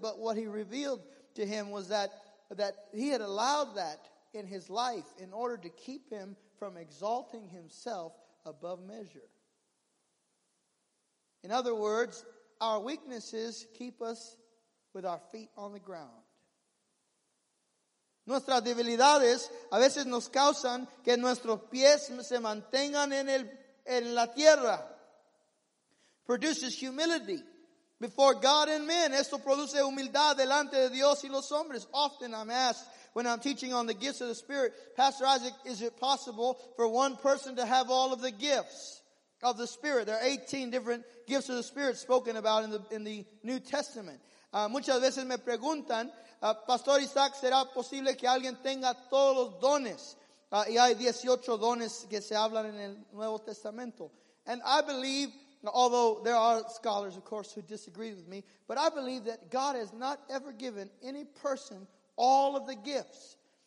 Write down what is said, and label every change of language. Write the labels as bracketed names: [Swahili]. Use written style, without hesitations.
[English] But what he revealed to him was that he had allowed that in his life in order to keep him from exalting himself above measure. In other words, our weaknesses keep us with our feet on the ground. [Spanish] Nuestras debilidades a veces nos causan que nuestros pies se mantengan en la tierra. [English] Produces humility before God and men. [Spanish] Esto produce humildad delante de Dios y los hombres. [English] Often I'm asked when I'm teaching on the gifts of the Spirit, Pastor Isaac, is it possible for one person to have all of the gifts of the Spirit? There are 18 different gifts of the Spirit spoken about in the New Testament. [Spanish] Muchas veces me preguntan, Pastor Isaac, ¿será posible que alguien tenga todos los dones? Y hay 18 dones que se hablan en el Nuevo Testamento. [English] And I believe, although there are scholars, of course, who disagree with me, but I believe that God has not ever given any person all of the gifts.